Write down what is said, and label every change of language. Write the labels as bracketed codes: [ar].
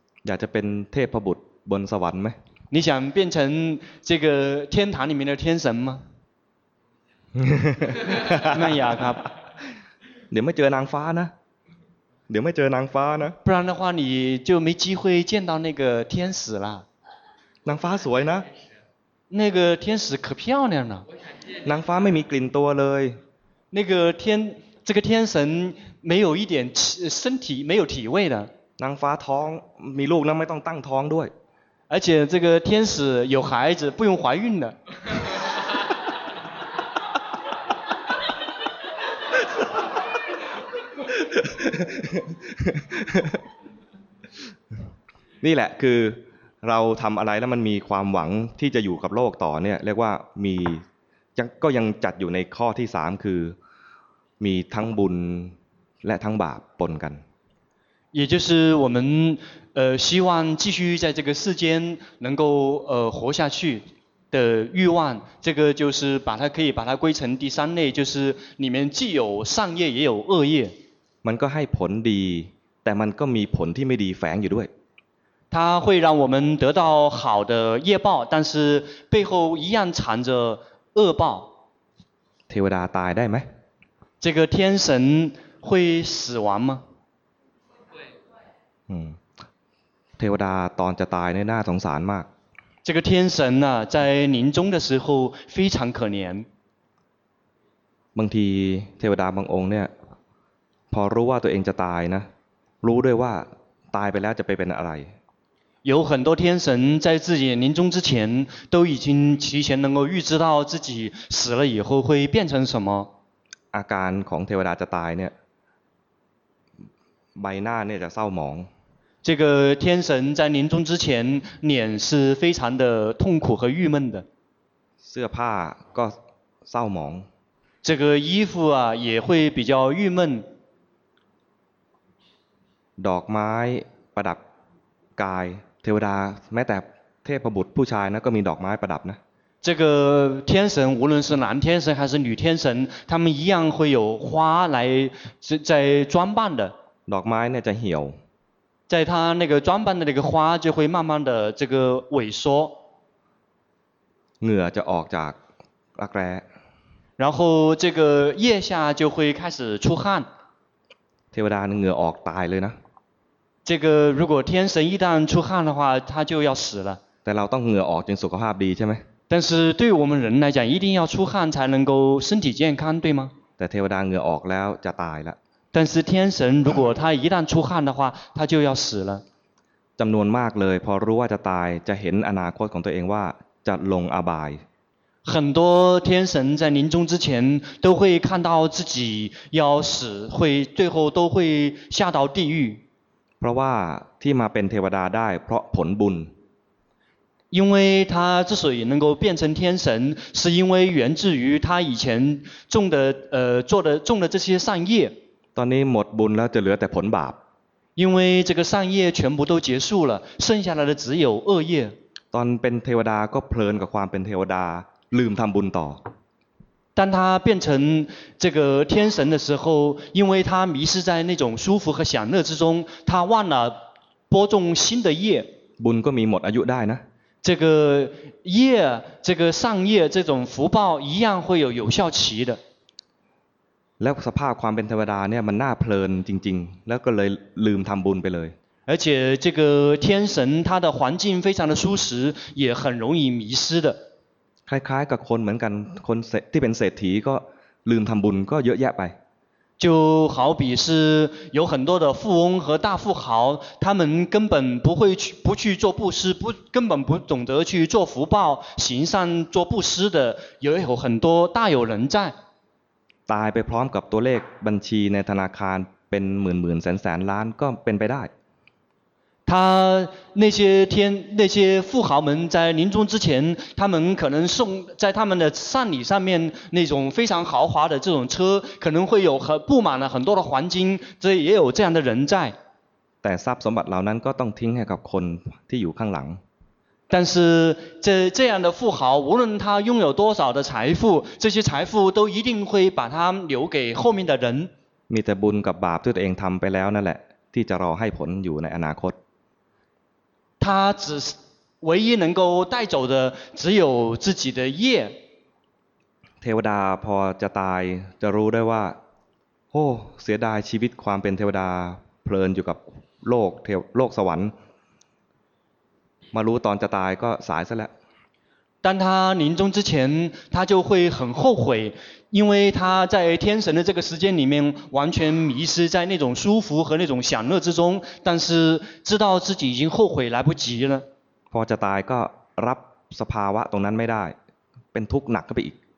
[th] อยากจะเป็นเทพบุตรบนสวรรค์ไหม [zh] 你想变成这个天堂里面的天神吗？ [th] ไม่อยากครับ เดี๋ยวไม่เจอนางฟ้านะเดี๋ยวไม่เจอนางฟ้านะ [zh] 不然的话你就没机会见到那个天使了 [th] นางฟ้าสวยนะ [zh] 那个天使可漂亮了 [th] นางฟ้าไม่มีกลิ่นตัวเลย [zh] 那个天这个天神没有一点身体没有体味的 [th] นางฟ้าท้องมีลูกนะไม่ต้องตั้งท้องด้วย [zh] 而且这个天使有孩子不用怀孕的 [th] นี่แหละคือเราทำอะไรแล้วมันมีความหวังที่จะอยู่กับโลกต่อเนี่ยเรียกว่ามีก็ยังจัดอยู่ในข้อที่3คือมีทั้งบุญและทั้งบาปปนกัน [zh] 也就是我们希望继续在这个世间能够活下去的欲望这个就是把它可以把它归成第三类就是里面既有善业也有恶业 [th] มันก็ให้ผลดีแต่มันก็มีผลที่ไม่ดีแฝงอยู่ด้วย [zh] 它会让我们得到好的业报但是背后一样缠着恶报 [th] เทวดาตายได้ไหม [zh] 这个天神会死亡吗 [th] เทวดาตอนจะตายเนี่ยน่าสงสารมาก [zh] 这个天神呢在临终的时候非常可怜 [th] บางทีเทวดาบางองค์เนี่ยพอรู้ว่าตัวเองจะตายนะรู้ด้วยว่าตายไปแล้วจะไปเป็นอะไร [zh] 有很多天神在自己临终之前都已经提前能够预知到自己死了以后会变成什么 [th] อาการของเทวดาจะตายเนี่ยใบหน้าเนี่ยจะเศร้าหมอง [zh] 这个天神在临终之前脸是非常的痛苦和郁闷的 [th] เสื้อผ้าก็เศร้าหมอง [zh] 这个衣服啊也会比较郁闷 [th] ดอกไม้ประดับกายเทวดาแม้แต่เทพบุตรผู้ชายนะก็มีดอกไม้ประดับนะ [zh] 这个天神无论是男天神还是女天神他们一样会有花来在装扮的 [th] ดอกไม้เนี่ยจะเหี่ยว [zh] 在他那个装扮的那个花就会慢慢的这个萎缩 [th] เหงื่อจะออกจากรักแร้ [zh] 然后这个腋下就会开始出汗 [th] เทวดาเหงื่อออกตายเลยนะ [zh] 这个如果天神一旦出汗的话他就要死了 [th] แต่เราต้องเหงื่อออกจนสุขภาพดีใช่ไหม [zh] 但是对我们人来讲一定要出汗才能够身体健康对吗 [th] แต่เทวดาเหงื่อออกแล้วจะตายละ [zh] 但是天神如果他一旦出汗的话他就要死了 [th] จำนวนมากเลยพอรู้ว่าจะตายจะเห็นอนาคตของตัวเองว่าจะลงอบาย [zh] 很多天神在临终之前都会看到自己要死会最后都会下到地狱 [th] เพราะว่าที่มาเป็นเทวดาได้เพราะผลบุญ [zh] 因为他之所以能够变成天神是因为源自于他以前种的种的这些善业 [th] ตอนนี้หมดบุญแล้วจะเหลือแต่ผลบาป [zh] 因为这个善业全部都结束了剩下来的只有恶业 [th] ตอนเป็นเทวดาก็เพลินกับความเป็นเทวดาลืมทำบุญต่อ [zh] 当他变成这个天神的时候因为他迷失在那种舒服和享乐之中他忘了播种新的业 [th] บุญก็มีหมดอายุได้นะ [zh] 这个业这个善业这种福报一样会有有效期的 [th] แล้วสภาพความเป็นเทวดาเนี่ยมันน่าเพลินจริงๆแล้วก็เลยลืมทำบุญไปเลย [zh] 而且这个天神他的环境非常的舒适也很容易迷失的 [th] คล้ายๆกับคนเหมือนกันคนที่เป็นเศรษฐีก็ลืมทำบุญก็เยอะแยะไป [zh] 就好比是有很多的富翁和大富豪他们根本不去做布施不根本不懂得去做福报行善做布施的也有很多大有人在 [th] ตายไปพร้อมกับตัวเลขบัญชีในธนาคารเป็นหมื่นๆแสนๆล้านก็เป็นไปได้ [zh] 他那些天那些富豪们在临终之前，他们可能送在他们的丧礼上面那种非常豪华的这种车，可能会有很布满了很多的黄金，这也有这样的人在。 [th] แต่ทรัพย์สมบัติเหล่านั้นก็ต้องทิ้งให้กับคนที่อยู่ข้างหลัง。 [zh] 但是这样的富豪，无论他拥有多少的财富，这些财富都一定会把他留给后面的人。 [th] มีแต่บุญกับบาปที่ตัวเองทำไปแล้วนั่นแหละที่จะรอให้ผลอยู่ในอนาคต。 [zh] 他只是唯一能够带走的只有自己的业。 [th] เทวดาพอจะตายจะรู้ได้ว่าโอ้เสียดายชีวิตความเป็นเทวดาเพลินอยู่กับโลกสวรรค์มารู้ตอนจะตายก็สายซะแล้ว [zh] 当他临终之前他就会很后悔因为他在天神的这个时间里面完全迷失在那种舒服和那种享乐之中但是知道自己已经后悔来不及了 [th] พอจะตายก็รับสภาวะตรงนั้นไม่ได้เป็นทุกข์หนักขึ้นไปอีก